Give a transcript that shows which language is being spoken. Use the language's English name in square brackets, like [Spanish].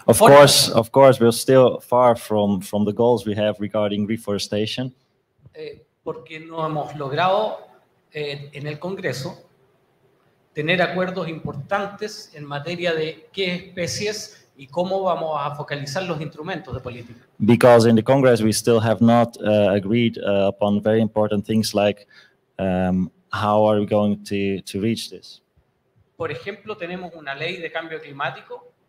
[English] Of course, we're still far from the goals we have regarding reforestation. [Spanish] Porque no hemos logrado en el Congreso tener acuerdos importantes en materia de qué especies y cómo vamos a focalizar los instrumentos de política. [English] Because in the Congress we still have not agreed upon very important things like how are we going to reach this? [Spanish] Por ejemplo, tenemos una ley de cambio climático.